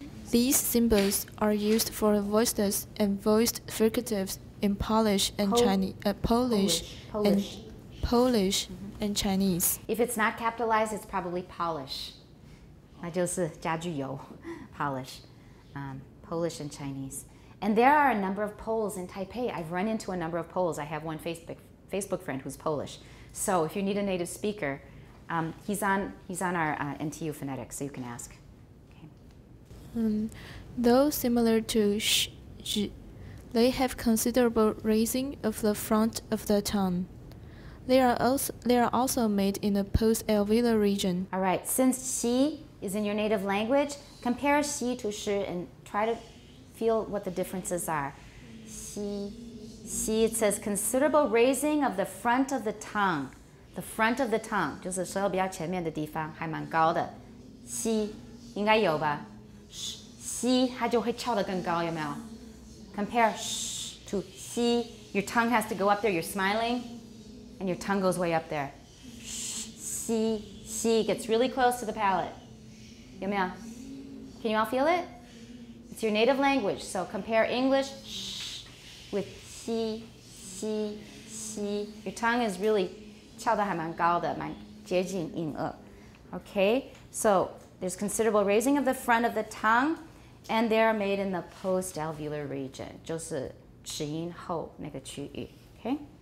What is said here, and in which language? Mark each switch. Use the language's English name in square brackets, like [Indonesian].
[English] These symbols are used for voiceless and voiced fricatives in Polish and Chinese. Polish. And Chinese. If it's not capitalized, it's probably Polish. [Chinese] 那就是加句油, Polish. [English] Polish and Chinese. And there are a number of Poles in Taipei. I've run into a number of Poles. I have one Facebook friend who's Polish. So if you need a native speaker, he's on our NTU phonetics, so you can ask. Okay. Though similar to sh, zh, they have considerable raising of the front of the tongue. They are also made in the post-alveolar region. All right, since xi is in your native language, compare xi to shi and try to feel what the differences are. Xi, xi, it says considerable raising of the front of the tongue. The front of the tongue, [Chinese] 就是舌头比较前面的地方，还蛮高的. Xi, 应该有吧?Xi, 它就会翘得更高，有没有? [English] Compare shi to xi, your tongue has to go up there, you're smiling. And your tongue goes way up there. Sh, si, si, gets really close to the palate. Yumiao. Can you all feel it? It's your native language, so compare English sh, with si, si, si. Your tongue is really [Chinese] 翘得还蛮高的，蛮接近音腭. [English] Okay, so there's considerable raising of the front of the tongue, and they're made in the post-alveolar region, [Chinese] 就是齿龈后那个区域, [English] okay?